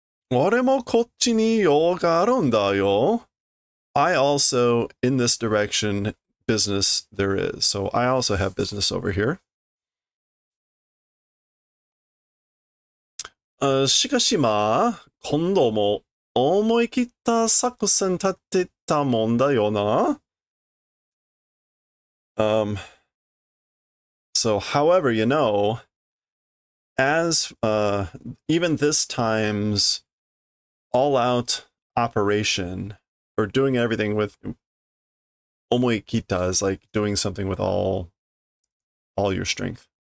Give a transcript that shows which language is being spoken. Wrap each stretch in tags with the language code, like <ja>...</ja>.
<ja>俺もこっちに用があるんだよ.</ja> <en>I also, in this direction, business there is. So I also have business over here.</en> <ja>しかしまあ、今度も思い切った作戦立てたもんだよな.</ja> <en>So however, you know, as even this time's all-out operation, or doing everything with omoikita is like doing something with all your strength.</en>